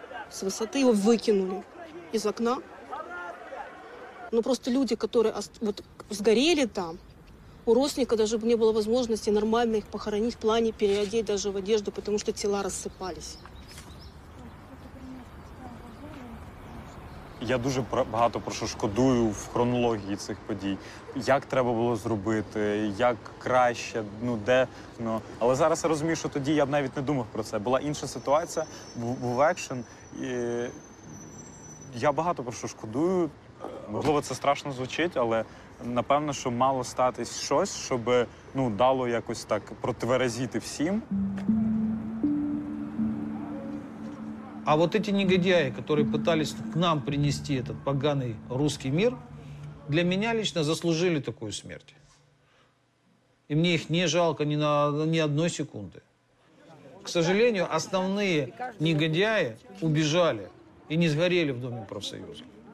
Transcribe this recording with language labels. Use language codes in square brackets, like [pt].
[ru] С высоты его выкинули из окна. Ну просто люди, которые вот сгорели там, у родственника даже не было возможности нормально их похоронить, в плане переодеть даже в одежду, потому что тела рассыпались. [uk] Я дуже багато про що шкодую в хронології цих подій. Як треба було зробити, як краще, ну де. Ну. Але зараз я розумію, що тоді я б навіть не думав про це. Була інша ситуація, був екшен. І я багато про що шкодую. Можливо, це страшно звучить, але напевно, що мало статись щось, щоб ну, дало якось так протверазити всім. [ru] А вот эти негодяи, которые пытались к нам принести этот поганый русский мир, для меня лично заслужили такую смерть. И мне их не жалко ни одной секунды. К сожалению, основные негодяи убежали и не сгорели в Доме профсоюза.